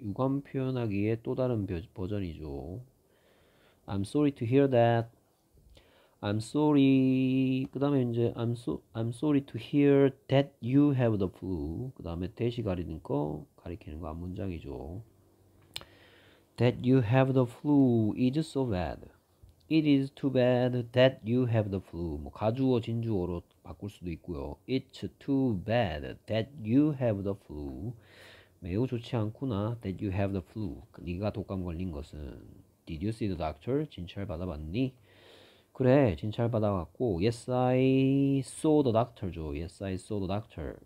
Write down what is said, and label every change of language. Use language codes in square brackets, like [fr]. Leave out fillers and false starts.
[ko] 유감 표현하기의 또 다른 버전이죠. [en] I'm sorry to hear that. I'm sorry. [ko] 그 다음에 이제 [en] I'm sorry to hear that you have the flu. [ko] 그 다음에 대시 가리는 거 가리키는 거 앞문장이죠. [en] That you have the flu is so bad. It is too bad that you have the flu. [ko] 뭐 가주어 진주어로 바꿀 수도 있고요. [en] It's too bad that you have the flu. [ko] 매우 좋지 않구나. [en] That you have the flu. [ko] 네가 독감 걸린 것은. [en] Did you see the doctor? [ko] 진찰 받아봤니? 그래, 진찰 받아왔고. Yes, I saw the doctor죠. [en] Yes, I saw the doctor.